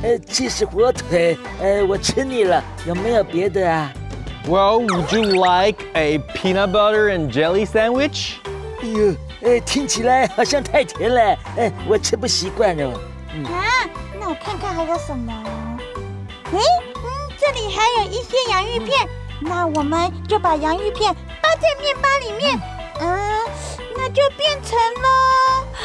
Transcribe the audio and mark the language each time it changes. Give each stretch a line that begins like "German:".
Chinese: 鸡翅火腿，我吃腻了，有没有别的啊
English: ？Well, would you like a peanut butter and jelly sandwich?
Chinese: 哎，听起来好像太甜了，我吃不习惯了。那我看看还有什么。这里还有一些洋芋片，那我们就把洋芋片包在面包里面，那就变成了